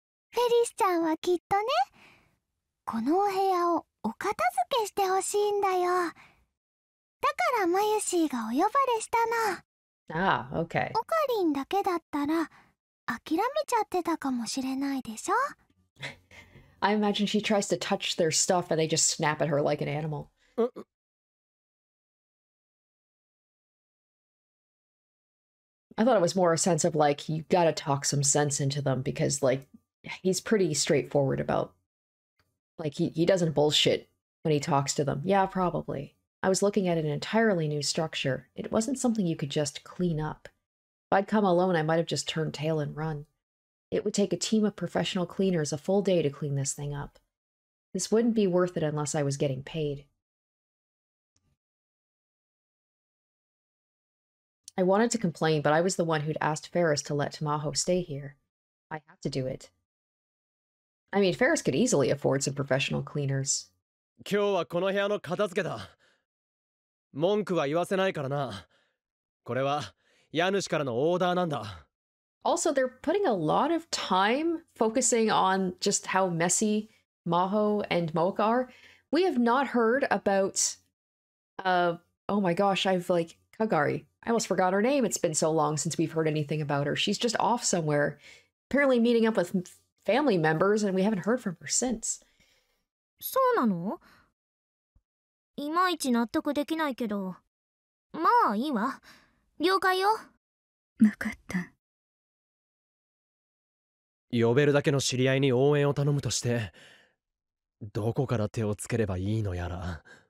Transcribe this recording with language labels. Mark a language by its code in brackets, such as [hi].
[ja] フェリスちゃんはきっとね、このお部屋をお片付けしてほしいんだよ。だからマユシーがお呼ばれしたの。ああ、OK。オカリンだけだったら諦めちゃってたかもしれないでしょ。 [en] I imagine she tries to touch their stuff and they just snap at her like an animal. I thought it was more a sense of like, you gotta talk some sense into them, because like, he's pretty straightforward about, like, he doesn't bullshit when he talks to them. Yeah, probably. I was looking at an entirely new structure. It wasn't something you could just clean up. If I'd come alone, I might have just turned tail and run. It would take a team of professional cleaners a full day to clean this thing up. This wouldn't be worth it unless I was getting paid. I wanted to complain, but I was the one who'd asked Ferris to let Tamaho stay here. I had to do it. I mean, Ferris could easily afford some professional cleaners. [ja] 今日はこの部屋の片付けだ。文句は言わせないからな。これは家主からのオーダーなんだ。 [en] Also, they're putting a lot of time focusing on just how messy Maho and Mooka are. We have not heard about, oh my gosh, I've like, Kagari. I almost forgot her name. It's been so long since we've heard anything about her. She's just off somewhere, apparently meeting up with family members, and we haven't heard from her since. [ja] そうなの？いまいち納得できないけど、まあいいわ。了解よ。分かった。呼べるだけの知り合いに応援を頼むとして、どこから手をつければいいのやら。